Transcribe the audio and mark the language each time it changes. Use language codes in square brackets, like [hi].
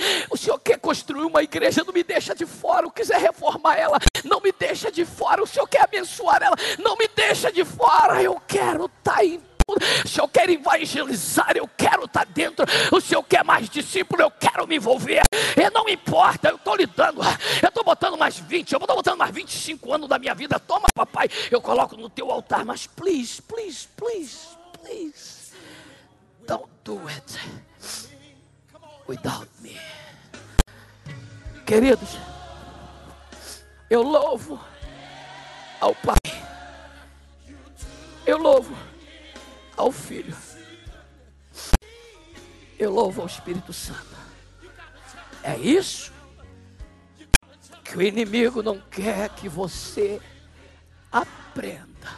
[pt] O Senhor quer construir uma igreja, não me deixa de fora. O quiser reformar ela, não me deixa de fora. O Senhor quer abençoar ela, não me deixa de fora. Eu quero estar em tudo. O Senhor quer evangelizar, eu quero estar dentro. O Senhor quer mais discípulo, eu quero me envolver. E não importa, eu estou lidando. Eu estou botando mais 20, eu estou botando mais 25 anos da minha vida. Toma, papai, eu coloco no teu altar. Mas [en] please, please, please, please, don't do it without me. [pt] Queridos, eu louvo ao Pai, eu louvo ao Filho, eu louvo ao Espírito Santo. É isso que o inimigo não quer que você aprenda.